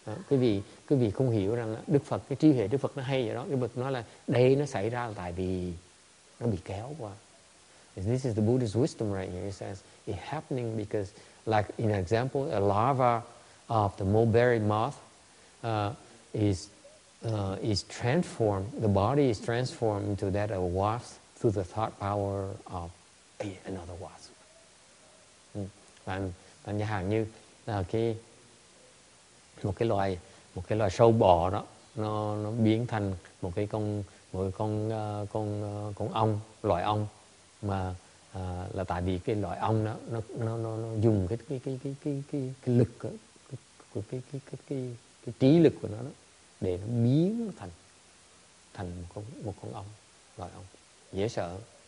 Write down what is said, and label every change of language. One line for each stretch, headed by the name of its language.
Vietnamese: Quý vị không hiểu rằng Đức Phật, cái trí huệ Đức Phật nó hay vậy đó. Đức Phật nói là đây nó xảy ra là tại vì nó bị kéo qua.
English: This is the Buddha's wisdom right here. It says it happening because, like in example, a larva of the mulberry moth is transformed. The body is transformed into that of a wasp through the thought power of another wasp.
Vietnamese: Bạn nhớ hàng như là một cái loài sâu bọ đó, nó biến thành một con ong, loài ong. Mà là tại vì cái loại ong đó nó dùng cái trí lực của nó đó, để nó biến thành một con ong, loại ong, dễ sợ.